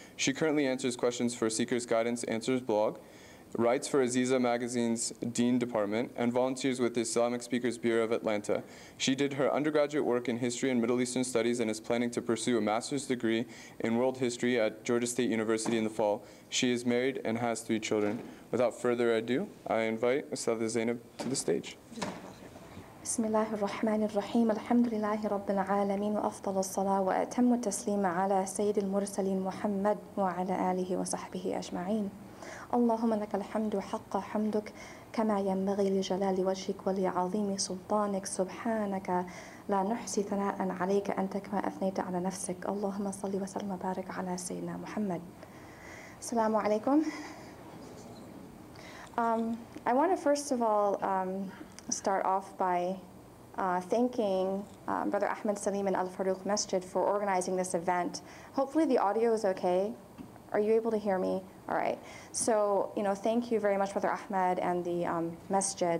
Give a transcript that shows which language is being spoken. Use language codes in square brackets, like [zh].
[en] She currently answers questions for Seeker's Guidance Answers blog, writes for Aziza Magazine's Dean Department, and volunteers with the Islamic Speakers Bureau of Atlanta. She did her undergraduate work in history and Middle Eastern studies and is planning to pursue a master's degree in world history at Georgia State University in the fall. She is married and has three children. Without further ado, I invite Ustada Zainab to the stage. [ar] بسم الله الرحمن الرحيم الحمد لله رب العالمين وأفضل الصلاة وأتم التسليم على سيد المرسلين محمد وعلى آله وصحبه أجمعين اللهم لك الحمد حق حمدك كما ينبغي لجلال وجهك ولعظيم سلطانك سبحانك لا نحصي ثناء عليك أنت كما أثنيت على نفسك اللهم صل وسلم وبارك على سيدنا محمد السلام عليكم. [en] I want to first of all start off by thanking Brother Ahmed Salim and Al-Farouk Masjid for organizing this event. Hopefully the audio is okay. Are you able to hear me? All right. So, you know, thank you very much, Brother Ahmed and the Masjid.